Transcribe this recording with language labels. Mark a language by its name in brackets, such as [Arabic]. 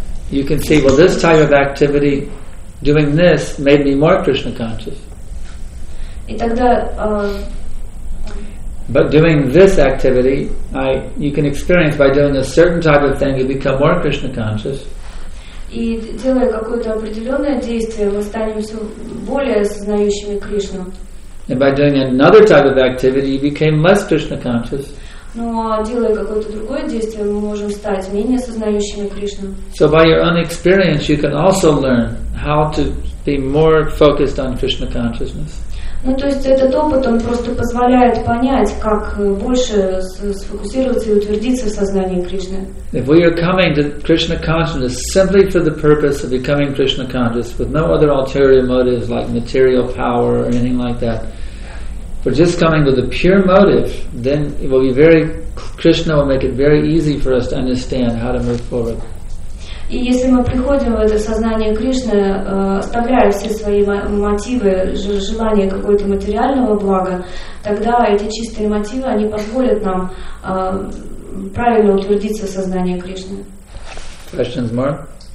[English] You can see, well, this type of activity, doing this, made me more Krishna conscious. [Russian] И тогда, [English] But doing this activity, you can experience by doing a certain type of thing, you become more Krishna conscious. [Russian] И делая какое-то определенное действие, мы станем все более сознающими Кришну. [English] And by doing another type of activity, you became less Krishna conscious. [Russian] Но делая какое-то другое действие, мы можем стать менее сознающими Кришну. [English] So by your own experience, you can also learn how to be more focused on Krishna consciousness. [Russian] Ну, то есть этот опыт, он просто позволяет понять, как больше сфокусироваться и утвердиться в сознании Кришны. [English] If we are coming to Krishna consciousness simply for the purpose of becoming Krishna conscious, with no other ulterior motives like material power or anything like that, if we're just coming with a pure motive, then it will be very, Krishna will make it very easy for us to understand how to move forward. [Russian] И если мы приходим в это сознание Кришны, оставляя все свои мотивы, желание какого-то материального блага, тогда эти чистые мотивы, они позволят нам правильно утвердиться в сознании Кришны. [English] Questions more?